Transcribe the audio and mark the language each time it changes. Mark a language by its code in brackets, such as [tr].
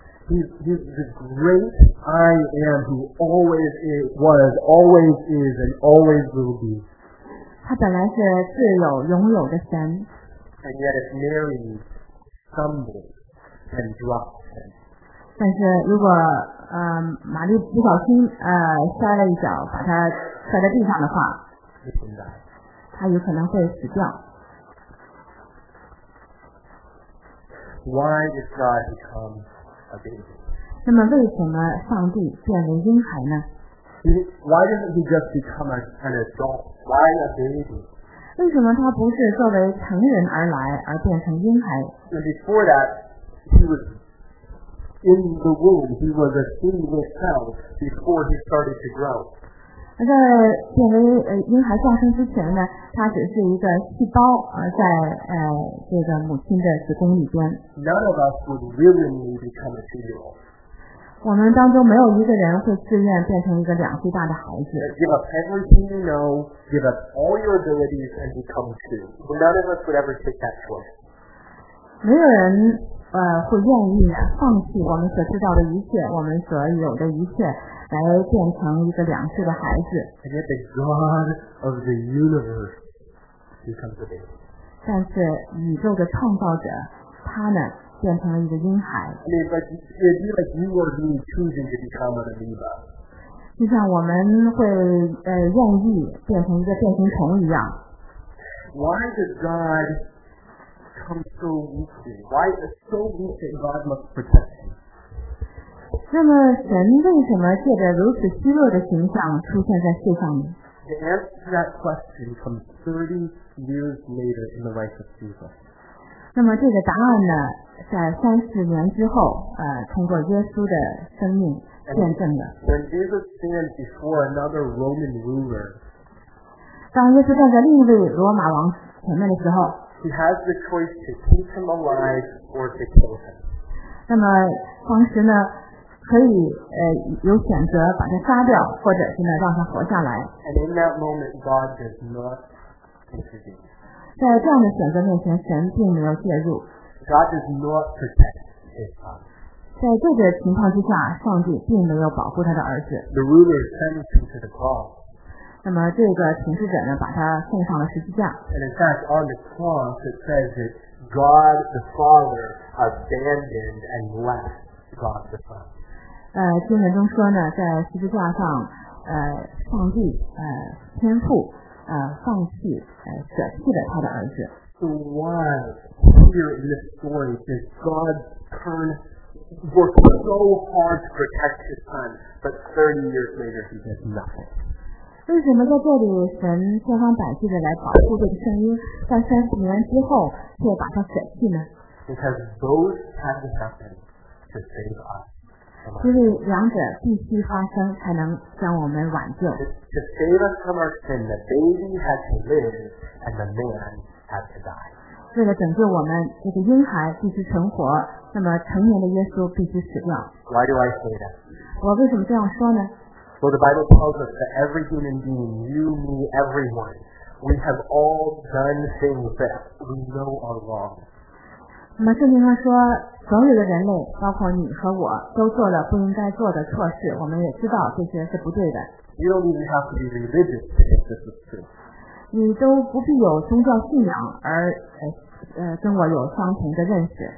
[en] The great I am who always is, was, always is, and always will be. [zh] 他本来是自有拥有的神。 [en] And yet if Mary stumbled and dropped him. [zh] 但是如果玛丽不小心摔了一脚，把他摔在地上的话，他有可能会死掉。 [en] Why did God become a baby? [zh] 那么为什么上帝变为婴孩呢？ [en] Why doesn't he just become an adult? Why a baby? [zh] 为什么他不是作为成人而来而变成婴孩？ [en] And before that, he was in the womb. He was a single cell before he started to grow. [zh] 在变为婴孩降生之前呢，他只是一个细胞，在这个母亲的子宫里边。 [en] None of us would willingly become a two-year-old. [zh] 我们当中没有一个人会自愿变成一个两岁大的孩子。 [en] Give up everything you know, give up all your abilities, and become two. None of us would ever take that choice. [zh] 没有人会愿意放弃我们所知道的一切，我们所有的一切。来变成一个两岁的孩子。 [en] And yet the God of the universe becomes a baby. [zh] 但是宇宙的创造者，他呢变成了一个婴孩。 [en] I mean, but it'd be like you or me choosing to become an amoeba. [zh] 就像我们会愿意变成一个变形虫一样。 [en] Why does God come so weakly? Why is it so weak that God must protect him? [zh] 那么神为什么借着如此虚弱的形象出现在世上呢？ [en] The answer to that question comes 30 years later in the life of Jesus. [zh] 那么这个答案呢，在三十年之后，通过耶稣的生命见证的。 [en] When Jesus stands before another Roman ruler, [zh] 当耶稣站在另一位罗马王前面的时候， [en] He has the choice to keep him alive or to kill him. [zh] 那么当时呢可以有选择把它杀掉，或者是呢让它活下来。 [en] And in that moment, God does not intervene. [zh] 在这样的选择面前，神并没有介入。 [en] God does not protect his son. [zh] 在这个情况之下，上帝并没有保护他的儿子。 [en] The ruler sends him to the cross. [zh] 那么这个统治者呢，把他送上了十字架。 [en] And in fact, on the cross it says that God the Father abandoned and left God the Son. [zh] 经文中说呢，在十字架上，上帝天父放弃舍弃了他的儿子。 [en] So why here in this story does God turn work so hard to protect his son, but 30 years later he does nothing? [zh] 为什么在这里神千方百计的来保护这个声音，但三十年之后却把他舍弃呢？ [en] Because both had to happen to save us. [zh] 就是两者必须发生才能将我们挽救。 [en] To save us from our sin, the baby had to live and the man had to die. [zh] 为了拯救我们，这个婴孩必须存活，那么成年的耶稣必须死掉。 [en] Why do I say that? [zh] 我为什么这样说呢？ [en] Well, the Bible tells us that every human being, you, me, everyone, we have all done things that we know are wrong. [zh] 那么圣经上说，所有的人类，包括你和我，都做了不应该做的错事。我们也知道这些是不对的。 [en] You don't even have to be religious if this is true. [zh] 你都不必有宗教信仰而跟我有相同的认识。